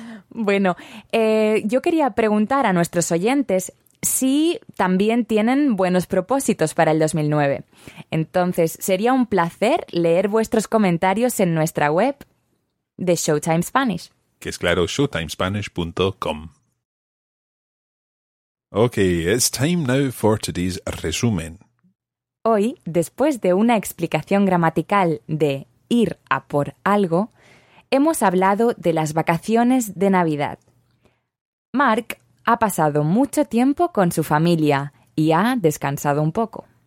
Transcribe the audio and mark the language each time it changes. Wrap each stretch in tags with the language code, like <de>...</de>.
<es>Bueno, yo quería preguntar a nuestros oyentes si también tienen buenos propósitos para el 2009. Entonces, sería un placer leer vuestros comentarios en nuestra web de Showtime Spanish. Que es claro, showtimespanish.com.</es> <en>Ok, it's time now for today's resumen.</en> <es>Hoy, después de una explicación gramatical de ir a por algo, hemos hablado de las vacaciones de Navidad. Mark ha pasado mucho tiempo con su familia y ha descansado un poco.</es>